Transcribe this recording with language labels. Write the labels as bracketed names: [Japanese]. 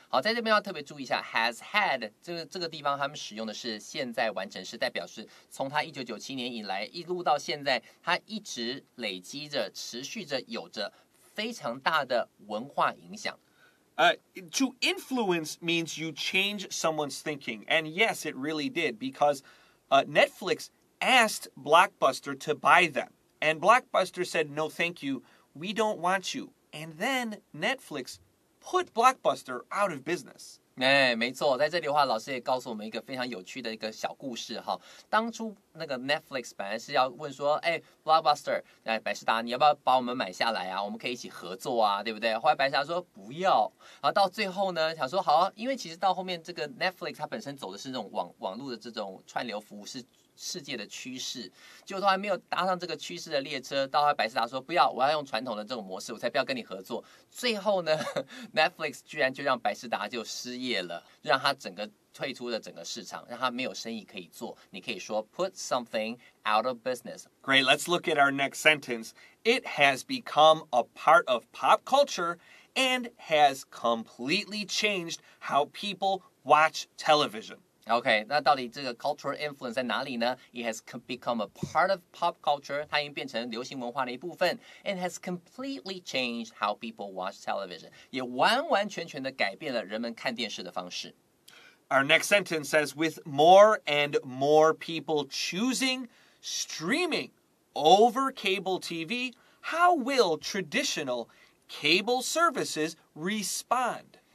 [Chinese] 好，在这边要特别注意一下 [English] has had [Chinese] 这个地方他们使用的是现在完成时，代表是从他1997年以来一路到现在，他一直累积着持续着有着非常大的文化影响。 [English] To influence means you change someone's thinking. And yes, it really did, because Netflix asked Blockbuster to buy them. And Blockbuster said, no, thank you. We don't want you. And then Netflix put Blockbuster out of business. [Chinese] 哎，没错，在这里的话，老师也告诉我们一个非常有趣的一个小故事哈。当初那个 Netflix 本来是要问说，哎 ，Blockbuster， 哎，百视达，你要不要把我们买下来啊？我们可以一起合作啊，对不对？后来百视达说不要，然后到最后呢，想说好，因为其实到后面这个 Netflix 它本身走的是那种网络的这种串流服务是世界的趋势，结果都还没有搭上这个趋势的列车，到后来百视达说不要，我要用传统的这种模式，我才不要跟你合作。最后呢 ，Netflix 居然就让百视达就失业了，让他整个退出了整个市场，让他没有生意可以做。你可以说 [English] put something out of business。 Great, let's look at our next sentence. It has become a part of pop culture and has completely changed how people watch television. Okay, [Chinese] 那到底这个 [English] cultural influence [Chinese] 在哪里呢? [English] It has become a part of pop culture. [Chinese] 它已经变成流行文化的一部分. [English] And has completely changed how people watch television. [Chinese] 也完完全全地改变了人们看电视的方式. [English] Our next sentence says, with more and more people choosing streaming over cable TV, how will traditional cable services respond?